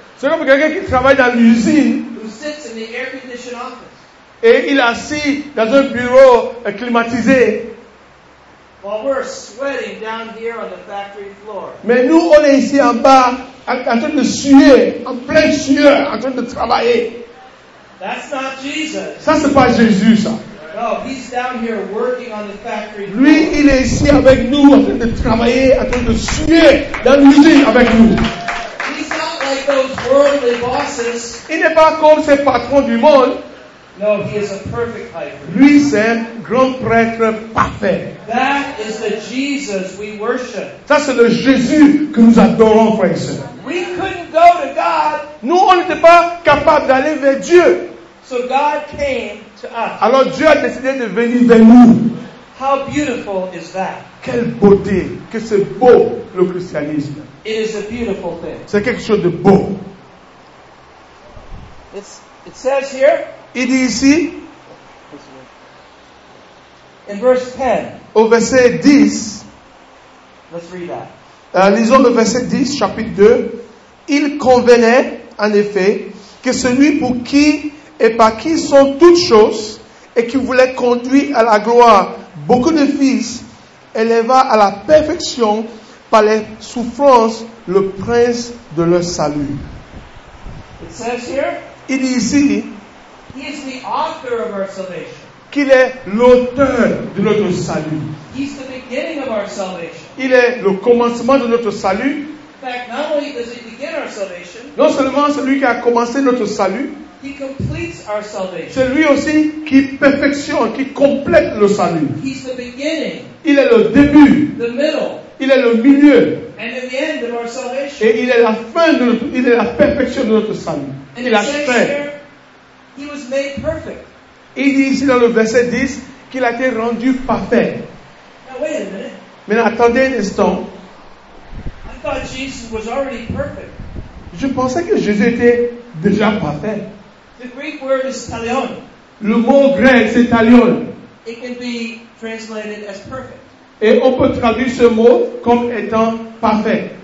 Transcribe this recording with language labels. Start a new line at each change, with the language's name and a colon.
French: C'est comme quelqu'un qui travaille dans l'usine.
English: Who sits in the air conditioned office.
French: Et il est assis dans un bureau climatisé.
English: While we're sweating down here on the factory floor.
French: Mais nous, on est ici en bas, en train de suer, en plein sueur, en train de travailler.
English: That's not Jesus.
French: Ça, c'est pas Jésus, ça.
English: No, he's down here working on the factory.
French: Lui, il est ici avec nous, en train de travailler, en train de suer dans l'usine avec nous.
English: He's not like those worldly bosses.
French: Il n'est pas comme ces patrons du monde.
English: No, he is a perfect high priest.
French: Lui, c'est un grand prêtre parfait.
English: That is the Jesus we worship.
French: Ça, c'est le Jésus que nous adorons, frères et sœurs.
English: We couldn't go to God.
French: Nous, on n'était pas capable d'aller vers Dieu.
English: So God came to us.
French: Alors Dieu a décidé de venir vers nous.
English: How beautiful is that?
French: Quelle beauté, que c'est beau le christianisme.
English: It is a beautiful thing.
French: C'est quelque chose de beau.
English: It says here.
French: Il dit ici.
English: In verse 10.
French: Au verset 10.
English: Let's read that.
French: Lisons le verset 10, chapitre 2. Il convenait, en effet, que celui pour qui et par qui sont toutes choses et qui voulait conduire à la gloire beaucoup de fils, éleva à la perfection par les souffrances le prince de leur salut.
English: It says here,
French: il dit ici
English: he is the author of our salvation.
French: Qu'il est l'auteur de notre salut.
English: He's the beginning of our salvation.
French: Il est le commencement de notre salut.
English: In fact, not only does he begin our salvation,
French: non seulement celui qui a commencé notre salut,
English: he completes our salvation.
French: C'est lui aussi qui perfectionne, qui complète le salut.
English: He's the beginning.
French: Il est le début.
English: The middle.
French: Il est le milieu.
English: And in the end of our salvation.
French: Et il est la fin de notre, il est la perfection de notre salut.
English: And
French: il est la fin.
English: Here, he was made perfect.
French: Il dit ici dans le verset 10 qu'il a été rendu parfait.
English: Now wait a minute.
French: Mais attendez un instant.
English: I thought Jesus was already perfect.
French: Je pensais que Jésus était déjà parfait.
English: The Greek word is talion.
French: Le mot grec, c'est talion.
English: It can be translated as perfect.
French: Et on peut traduire ce mot comme étant parfait.